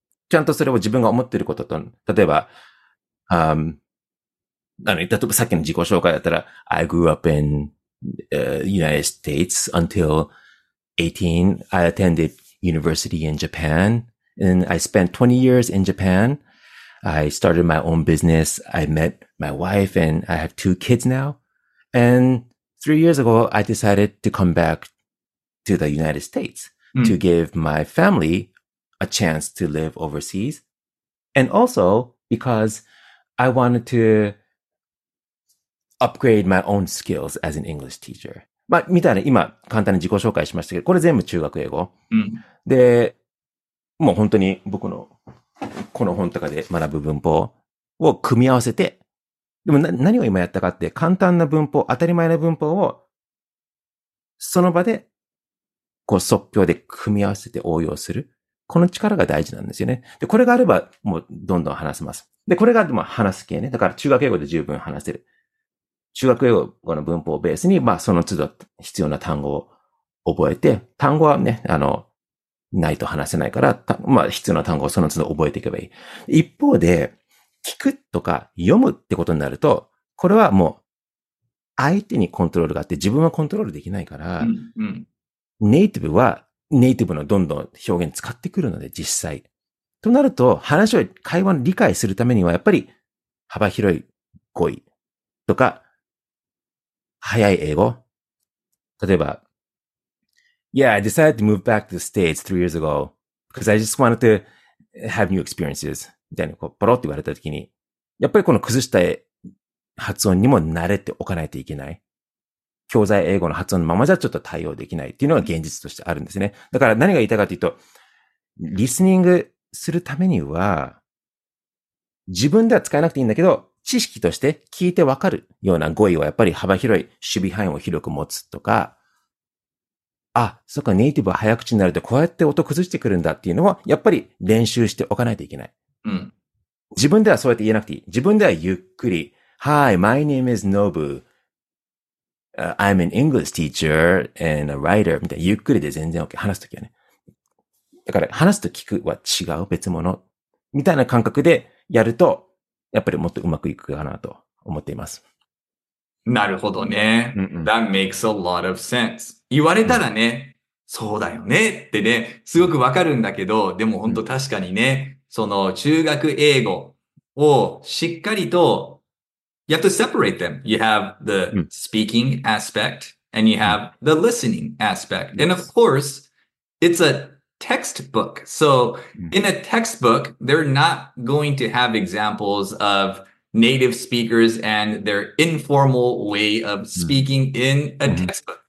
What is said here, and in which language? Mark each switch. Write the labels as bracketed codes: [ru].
[ja] ちゃんとそれを自分が思っていることと、例えば、例えばさっきの自己紹介だったら、 [en] I grew up in、United States until 18, I attended university in Japan,And I spent 20 years in Japan. I started my own business. I met my wife and I have two kids now. And 3 years ago, I decided to come back to the United States to give my family a chance to live overseas. And also because I wanted to upgrade my own skills as an English teacher. [ja] まあ、みたいな、今、簡単に自己紹介しましたけど、これ全部中学英語。で、もう本当に僕のこの本とかで学ぶ文法を組み合わせて、でも何を今やったかって簡単な文法、当たり前の文法をその場でこう即興で組み合わせて応用する。この力が大事なんですよね。で、これがあればもうどんどん話せます。で、これがでも話す系ね。だから中学英語で十分話せる。中学英語の文法をベースに、まあその都度必要な単語を覚えて、単語はね、ないと話せないから、まあ必要な単語をその都度覚えていけばいい。一方で、聞くとか読むってことになると、これはもう相手にコントロールがあって自分はコントロールできないから、ネイティブはネイティブのどんどん表現使ってくるので実際。となると、話を、会話の理解するためにはやっぱり幅広い語彙とか、早い英語。 [en] 例えば、Yeah, I decided to move back to the States 3 years ago because I just wanted to have new experiences. [ja] みたいな、こう、ポロって言われたときに、やっぱりこの崩した発音にも慣れておかないといけない。教材英語の発音のままじゃちょっと対応できないっていうのが現実としてあるんですね。だから何が言いたいかというと、リスニングするためには、自分では使えなくていいんだけど、知識として聞いてわかるような語彙はやっぱり幅広い守備範囲を広く持つとか、あ、そっか、ネイティブは早口になるって、こうやって音崩してくるんだっていうのは、やっぱり練習しておかないといけない。自分ではそうやって言えなくていい。 [en] 自分ではゆっくり、Hi, my name is Nobu. I'm an English teacher and a writer. [ja] みたいな、ゆっくりで全然 OK。話すときはね。だから、話すと聞くは違う、別物。みたいな感覚でやると、やっぱりもっとうまくいくかなと思っています。なるほどね。 [en] That makes a lot of sense. [ja] 言われたらね、そうだよねってね、すごくわかるんだけど、でも本当確かにね、その中学英語、をしっかりと、 [en] you have to separate them. You have the speaking aspect and you have the listening aspect. And of course, it's a textbook. So in a textbook, they're not going to have examples of native speakers and their informal way of speaking in a textbook.